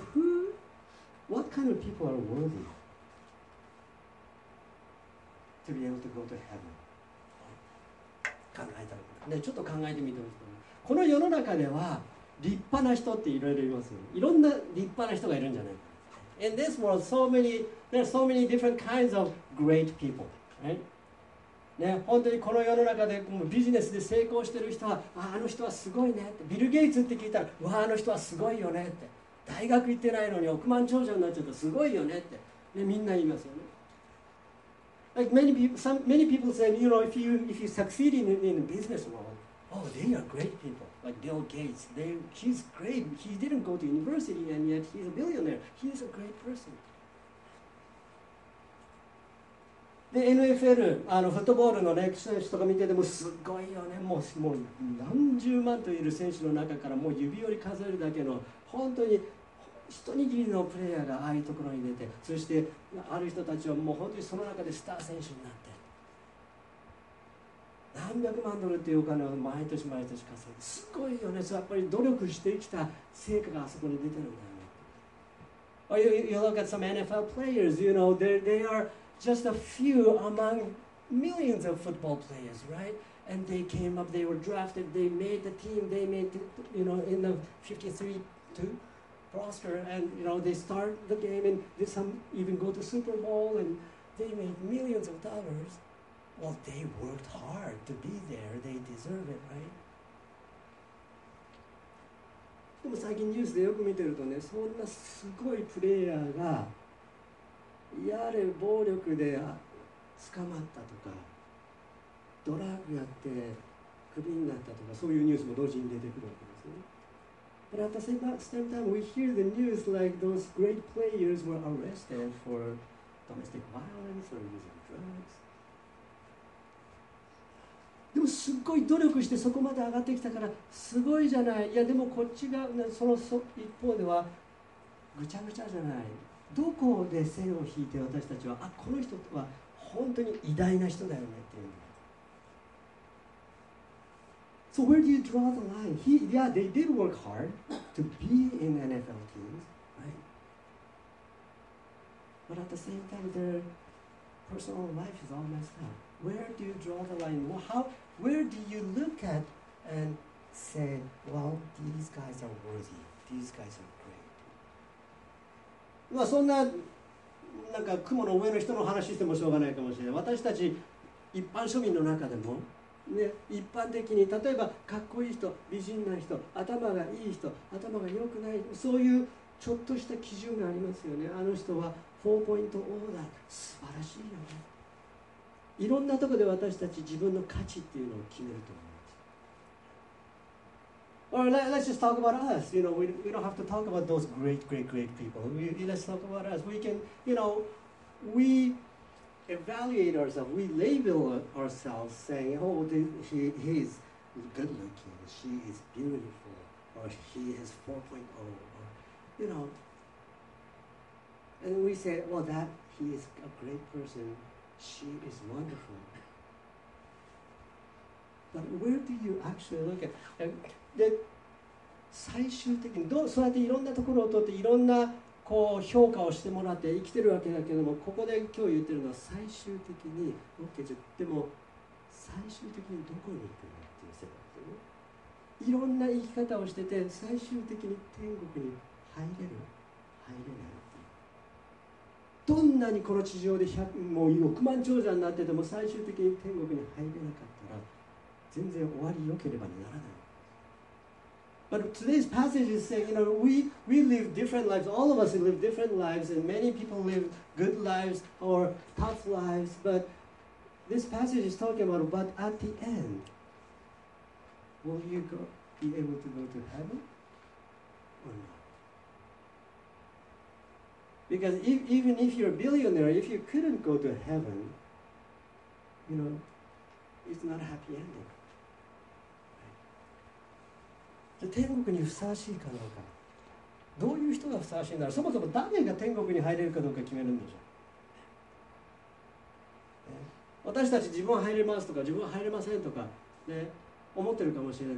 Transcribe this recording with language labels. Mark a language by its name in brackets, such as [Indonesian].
[English] So who, what kind of people are worthy? To be able to go to heaven. [Japanese] 考えたら、ね、ちょっと考えてみてください。この世の中では立派な人っていろいろいますよ。いろんな立派な人がいるんじゃないか。 [English] In this world, there are so many different kinds of great people, right? [Japanese] ね、本当にこの世の中でもうビジネスで成功してる人は、あの人はすごいねって。ビル・ゲイツって聞いたら、わあ、あの人はすごいよねって。大学行ってないのに億万長者になっちゃったらすごいよねって、ね、みんな言いますよね。 [English] Like many people, many people say, you know, if you succeed in the business world, oh, they are great people. Like Bill Gates, he's great. He didn't go to university and yet he's a billionaire. He's a great person. [Japanese] で NFL あのフットボールの、ね、選手とか見ててもすごいよね。もう何十万といる選手の中からもう指折り数えるだけの本当に一握りのプレイヤーがああいうところに出て、そしてある人たちはもう本当にその中でスター選手になって何百万ドルっていうお金を毎年毎年稼いで、すごいよね。やっぱり努力してきた成果があそこに出てるんだよね。 [English] You look at some NFL players, you know, they are just a few among millions of football players, right? And they came up, they were drafted, they made the team, they made, you know, in the 53-2roster, and you know, they start the game and did some even go to Super Bowl and they made millions of dollars. Well, they worked hard to be there. They deserve it, right? [Japanese] でも最近ニュースでよく見てるとね、そんなすごいプレイヤーがやれ暴力で捕まったとか、ドラッグやってクビになったとか、そういうニュースも同時に出てくるわけですね。 [English] But at the same time, we hear the news like those great players were arrested for domestic violence or using drugs. [Japanese] でもすごい努力してそこまで上がってきたからすごいじゃない。いやでもこっちがその一方ではぐちゃぐちゃじゃない。どこで線を引いて私たちは、あ、この人は本当に偉大な人だよねっていうの。 [English] So where do you draw the line? Yeah, they did work hard to be in NFL teams, right? But at the same time, their personal life is all messed up. Where do you draw the line? Where do you look at and say, well, these guys are worthy, these guys are great? [Japanese] まあそんななんか雲の上の人の話してもしょうがないかもしれない。私たち一般庶民の中でもね、一般的に例えばかっこいい人、美人な人、頭がいい人、頭が良くない、そういうちょっとした基準がありますよね。あの人は4ポイントオーダー素晴らしいよね。いろんなところで私たち自分の価値っていうのを決めると思います。 [English] Or let's just talk about us. You know, we don't have to talk about those great, great, great people. Let's talk about us. We can, you know, weevaluate ourselves, we label ourselves saying, oh, he is good looking, she is beautiful, or he is 4.0, or, you know. And we say, well, that he is a great person, she is wonderful. But where do you actually look at? [Japanese] で、最終的にどう、そうやっていろんなところを取っていろんなこう評価をしてもらって生きてるわけだけども、ここで今日言ってるのは最終的に OK じゃ、でも最終的にどこに行くのっていう世界ですね。いろんな生き方をしてて最終的に天国に入れる入れないっていう、どんなにこの地上で100もう6万長者になってても最終的に天国に入れなかったら全然終わり良ければならない。 [English] But today's passage is saying, you know, we live different lives. All of us live different lives, and many people live good lives or tough lives. But this passage is talking about, but at the end, will you be able to go to heaven or not? Because even if you're a billionaire, if you couldn't go to heaven, you know, it's not a happy ending. [Japanese] 天国にふさわしいかどうか、どういう人がふさわしいんだろう、そもそも誰が天国に入れるかどうか決めるんでしょう、ね、私たち自分は入れますとか自分は入れませんとか、ね、思ってるかもしれない。